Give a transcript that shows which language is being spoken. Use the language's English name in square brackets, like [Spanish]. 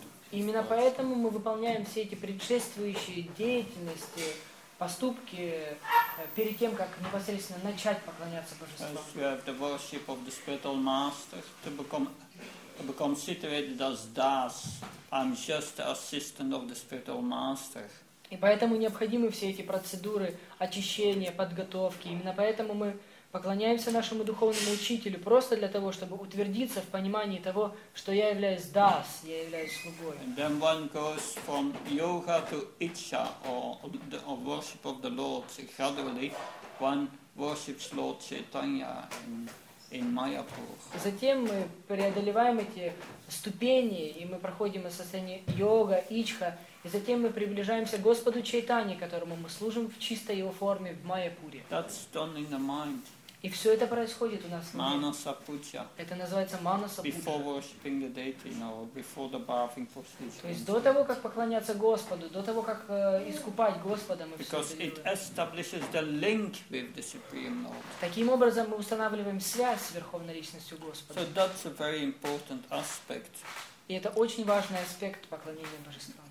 [Russian] Именно поэтому мы выполняем все эти предшествующие деятельности, поступки перед тем, как непосредственно начать поклоняться божеству. [English] We have the worship of the spiritual master to become situated as das. I'm just the assistant of the spiritual master. [Russian] И поэтому необходимы все эти процедуры очищения, подготовки. Именно поэтому мы поклоняемся нашему духовному учителю просто для того, чтобы утвердиться в понимании того, что я являюсь дас, я являюсь слугой. [English] And then one goes from yoga to icha or worship of the Lord. Gradually, one worships Lord Chaitanya in Mayapur. [Russian] Затем мы преодолеваем эти ступени и мы проходим из состояния йога, ичха, и затем мы приближаемся к Господу Чайтане, которому мы служим в чистой его форме в Майяпуре. [English] That's done in the mind. [Russian] И все это происходит у нас в Манасапуджа. Это называется Манасапуджа. [English] Before worshiping the deity, you know, before the bathing procedure. [Russian] То есть до того, как поклоняться Господу, до того, как искупать Господа, мы [English] Because [Russian] все это делаем. [English] Because it establishes the link with the Supreme Lord. [Russian] Таким образом мы устанавливаем связь с Верховной Личностью Господа. [English] So that's a very important aspect [Russian] И это очень важный аспект поклонения божествам.